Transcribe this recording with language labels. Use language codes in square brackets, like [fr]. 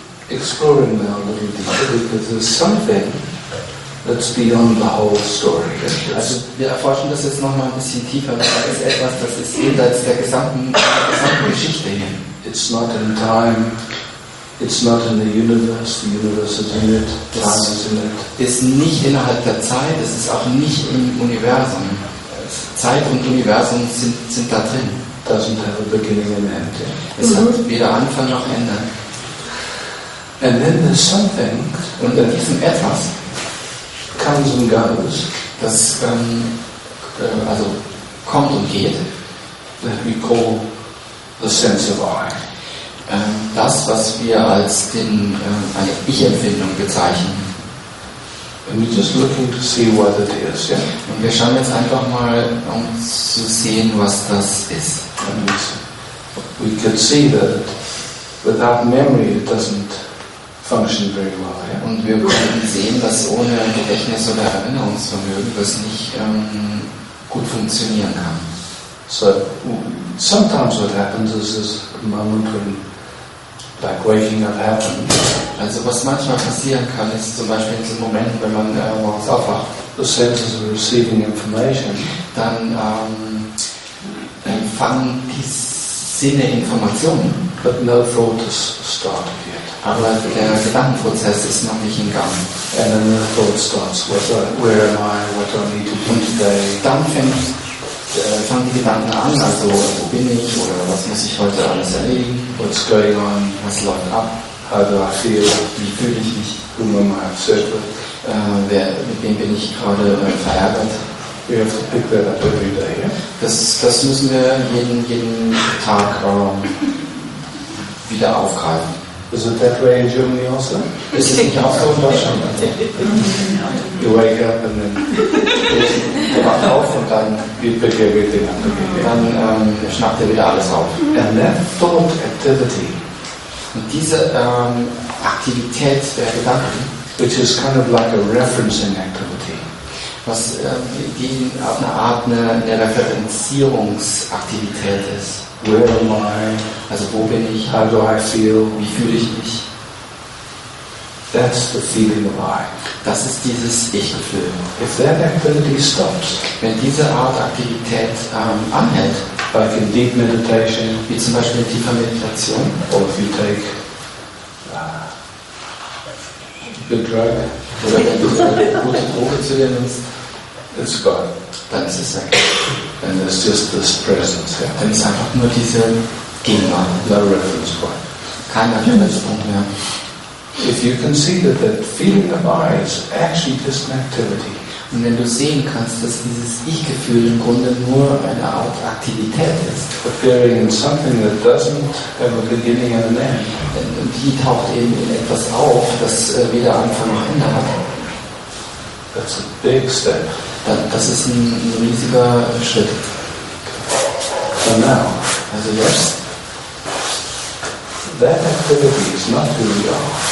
[en] Exploring now a little deeper, because there's something that's beyond the whole story. [de] Also, wir erforschen das jetzt nochmal ein bisschen tiefer, weil da ist etwas, das ist jenseits der gesamten Geschichte hier. [en] It's not in time, It's not in the universe is in it, time is in it. [de] Ist nicht innerhalb der Zeit, es ist auch nicht im Universum. Zeit und Universum sind da drin. [en] Doesn't have a beginning and end. [de] Es hat weder Anfang noch Ende. [en] And then there's something, [de] und in diesem Etwas [en] comes and goes, [de] das also kommt und geht, [en] that we call the sense of I. [de] Das, was wir als eine Ich-Empfindung bezeichnen. [en] And we're just looking to see what it is, yeah? [de] Und wir schauen jetzt einfach mal, um zu sehen, was das ist. [en] And we could see that without memory it doesn't function very well, yeah? [de] Und wir können sehen, dass ohne Gedächtnis oder Erinnerungsvermögen das nicht gut funktionieren kann. [en] So, sometimes what happens is this moment when, like waking up happens. [de] Also was manchmal passieren kann, ist zum Beispiel in diesem Moment, wenn man morgens aufwacht. [en] The senses are receiving information. [de] Dann empfangen die Sinne Informationen. [en] But no thought has started yet. [de] Aber der Gedankenprozess ist noch nicht in Gang. [en] And then the thought starts, where am I, what do I need to do today? [de] Dann fangen die Gedanken an, also wo bin ich oder was muss ich heute alles erledigen? [en] What's going on? [de] Was läuft ab? [en] How do I feel? [de] Wie fühle ich mich? [en] Whom am I upset with? [de] Mit wem bin ich gerade verärgert? [en] We have to pick that up every day, yeah? [de] Das müssen wir jeden Tag wieder aufgreifen. [en] Is it that way in Germany also? [de] Ist es nicht auch so in Deutschland? [en] You wake up and then [de] du wachst auf und dann schnappt er wieder alles auf. [en] And that thought activity, [de] und diese Aktivität der Gedanken, [en] which is kind of like a referencing activity, [de] was die auf eine Art eine Referenzierungsaktivität ist. [en] Where am I? [de] Also wo bin ich? [en] How do I feel? [de] Wie fühle ich mich? [en] That's the feeling of I. [de] Das ist dieses Ich-Gefühl. [en] If that activity stops, [de] wenn diese Art Aktivität anhält, [en] like in deep meditation, [de] wie zum Beispiel in tiefer Meditation, [en] or if you take the drug, [de] oder wenn du eine gute Droge zu dir nimmst, [en] it's gone. [de] Dann ist es weg. [en] And it's just this presence. Yeah. [de] Dann ist einfach nur diese Gegenwart. [en] No reference point. [de] Kein Referenzpunkt mehr. [en] If you can see that feeling of I is actually just an activity. [de] Und wenn du sehen kannst, dass dieses Ich-Gefühl im Grunde nur eine Art Aktivität ist. [en] Appearing in something that doesn't have a beginning and an end. [de] Und die taucht eben in etwas auf, das weder Anfang noch Ende hat. [en] That's a big step. [de] Das ist ein riesiger Schritt. [en] For now. [de] Also jetzt. [en] That activity is not who we are.